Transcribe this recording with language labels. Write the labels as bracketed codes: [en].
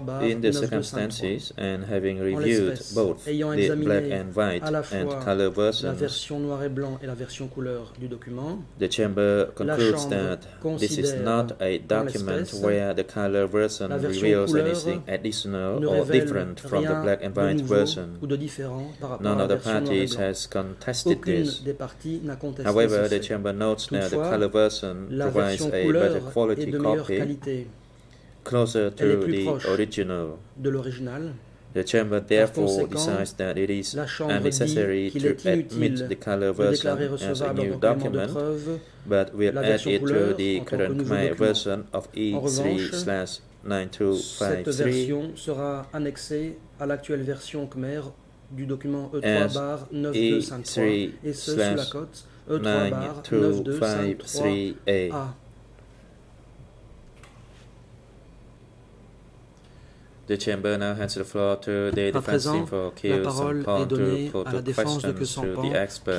[en] In the circumstances, and having reviewed both the black and white and color versions, [fr] la version noir et blanc et la version couleur du document, [en] the Chamber concludes that this is not a document where the color version reveals anything additional or different from the black and white version. None of the parties has contested this. However, the Chamber notes that the color version provides a better quality copy, closer to the original. [fr] De l'original. [en] The Chamber therefore decides that it is unnecessary to admit the color version as a new document, but will add it to the current May version of E3/9253. [fr] Cette version sera annexée à l'actuelle version Khmer du document E3/9253 et ce sous la cote E3/9253A. [en] The chamber now hands the floor to the defense team for Kyo Sampan to put the questions to the expert,